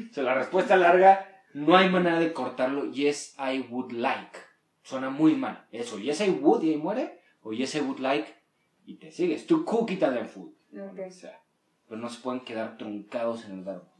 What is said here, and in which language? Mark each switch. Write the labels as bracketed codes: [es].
[es] So la respuesta larga, no hay manera de cortarlo. [en] Yes, I would like. [es] Suena muy mal. Eso, [en] yes, I would, [es] y ahí muere. O [en] yes, I would like, [es] y te sigues. [en] To cook Italian food. Okay. [es] O sea, pero no se pueden quedar truncados en el verbo.